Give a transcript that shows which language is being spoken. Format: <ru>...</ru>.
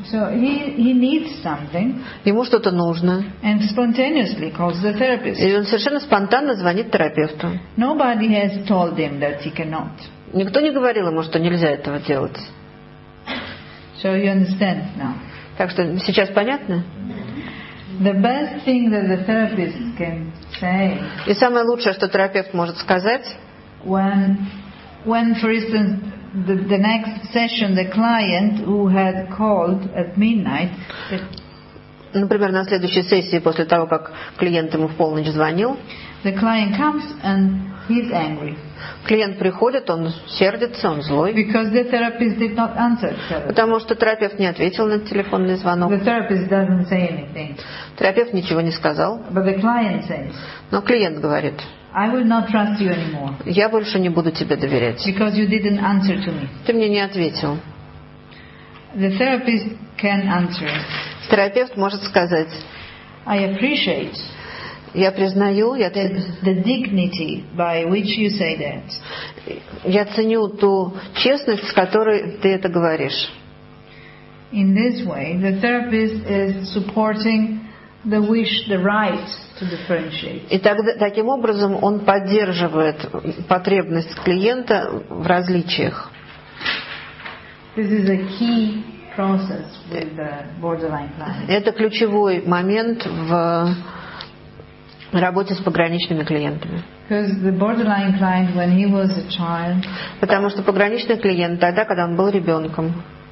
<en>So he needs something.</en> <ru>Ему что-то нужно.</ru> <en>And spontaneously calls the therapist.</en> <ru>И он совершенно спонтанно звонит терапевту.</ru> <en>Nobody has told him that he cannot.</en> <ru>Никто не говорил ему, что нельзя этого делать.</ru> <en>So you understand now.</en> <ru>Так что сейчас понятно?</ru> <en>The best thing that the therapist can say.</en> <ru>И самое лучшее, что терапевт может сказать.</ru> <en>When for instance the next session the client who had called at midnight.</en> <ru>Например, на следующей сессии после того, как клиент ему в полночь звонил.</ru> <en>The client comes and he's angry.</en> <ru>Клиент приходит, он сердится, он злой.</ru> <en>Because the therapist did not answer.</en> <ru>Потому что терапевт не ответил на телефонный звонок.</ru> <en>The therapist doesn't say anything.</en> <ru>Терапевт ничего не сказал.</ru> <en>But the client says,</en> <ru>но клиент говорит.</ru> <en>I will not trust you anymore.</en> <ru>Я больше не буду тебе доверять.</ru> <en>Because you didn't answer to me.</en> <ru>Ты мне не ответил.</ru> <en>The therapist can answer.</en> <ru>Терапевт может сказать.</ru> <en>I appreciate.</en> <ru>Я признаю, я</ru> <en>the dignity by which you say that.</en> <ru>Я ценю ту честность, с которой ты это говоришь.</ru> <en>In this way, the therapist is supporting the wish, the right to differentiate.</en> <ru>И таким образом он поддерживает потребность клиента в различиях.</ru> <en>This is a key process with the borderline client.</en> <ru>Это ключевой момент в работе с пограничными клиентами.</ru> <en>Because the borderline client, when he was a child,</en> <ru>потому что пограничный клиент тогда, когда он был ребенком,</ru>